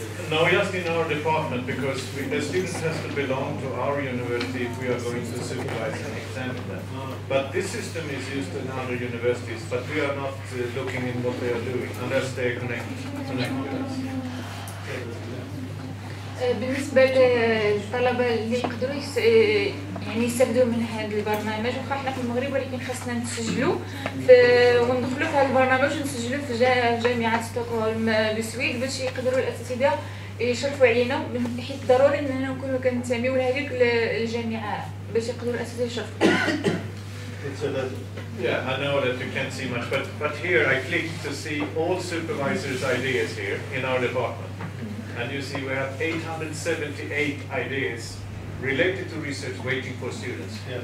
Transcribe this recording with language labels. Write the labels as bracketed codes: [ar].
[en] No, just in our department, because the students has to belong to our university if we are going to supervise and examine them. But this system is used in other universities, but we are not looking in what they are doing, unless they are connected with us. [ar] بالنسبة للطلبة اللي يقدروا يعني يستفدوا من هذا البرنامج وخا حنا في المغرب ولكن خاصنا نسجلوا وندخلوا في هذا البرنامج ونسجلوا في جامعة ستوكهولم بالسويد باش يقدروا الأساتذة يشرفوا علينا حيت ضروري أننا نكونوا كننتميو لهذيك الجامعة باش يقدروا الأساتذة يشرفوا [en] Yeah, I know that you can't see much, but here I click to see all supervisors' ideas here in our department. And you see we have 878 ideas related to research waiting for students.